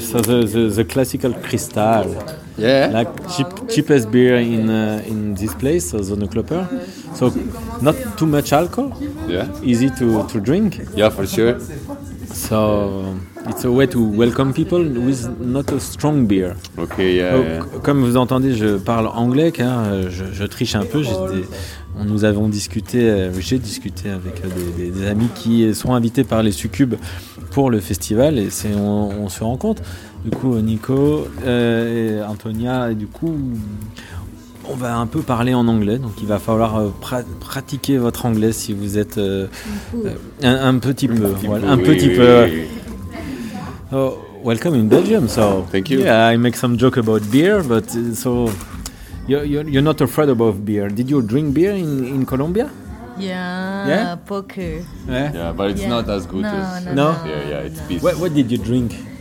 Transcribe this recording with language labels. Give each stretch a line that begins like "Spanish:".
English: So the classical Cristal. Yeah. Like cheapest beer in this place, so the Nukloper. So not too much alcohol. Yeah. Easy to drink. Yeah, for sure. So it's a way to welcome people with not a strong beer. Okay, yeah. So,
French: comme vous entendez, je parle anglais car je triche un peu. J'ai discuté avec des amis qui sont invités par les Succubes pour le festival et on se rend compte. Du coup, Nico et Antonia, et du coup, on va un peu parler en anglais. Donc, il va falloir pratiquer votre anglais si vous êtes un petit peu. Oui.
English: So, welcome in Belgium. So, thank you. Yeah, I make some joke about beer, but so you're not afraid of beer. Did you drink beer in Colombia? Yeah. Poker. Yeah, but it's not as good No. It's business. What did you drink?